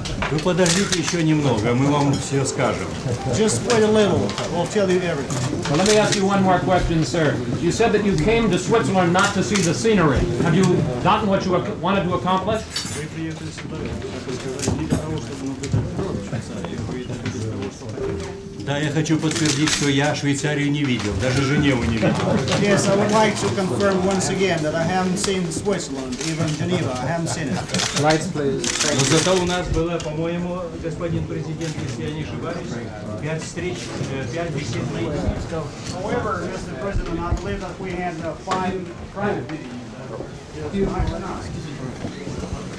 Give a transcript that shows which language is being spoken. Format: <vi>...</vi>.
<ru>Вы подождите еще немного, мы вам все скажем.</ru> <en>Just wait a little. We'll tell you everything. Well, let me ask you one more question, sir. You said that you came to Switzerland not to see the scenery. Have you gotten what you wanted to accomplish?</en> <ru>Да, я хочу подтвердить, что я Швейцарию не видел, даже Женеву не видел.</ru> <en>Yes, I would like to confirm once again that I haven't seen Switzerland, even Geneva. I haven't seen it. Lights, please.</en> <ru>Но зато у нас было, по-моему, господин президент, если я не ошибаюсь, пять встреч, пять бесед на единицу.</ru> <en>However, Mr. President, I believe that we had five private meetings.</en>